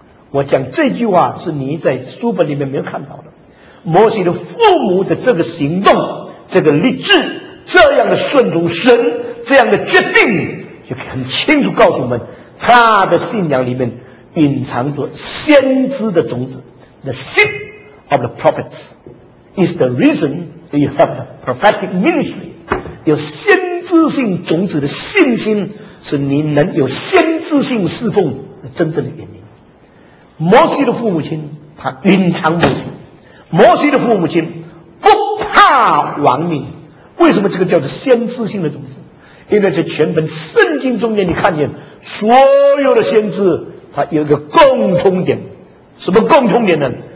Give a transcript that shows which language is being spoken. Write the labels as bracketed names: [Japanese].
[Chinese] 我讲这句话是你在书本里面没有看到的，摩西的父母的这个行动，这个立志，这样的顺从神，这样的决定，就很清楚告诉我们，他的信仰里面隐藏着先知的种子。 [English] The seed of the prophets is the reason you have the prophetic ministry。 [Chinese] 有先知性种子的信心是你能有先知性侍奉的真正的原因。摩西的父母亲他隐藏摩西，摩西的父母亲不怕亡命。为什么这个叫做先知性的种子？因为在全本圣经中间，你看见所有的先知他有一个共同点。什么共同点呢？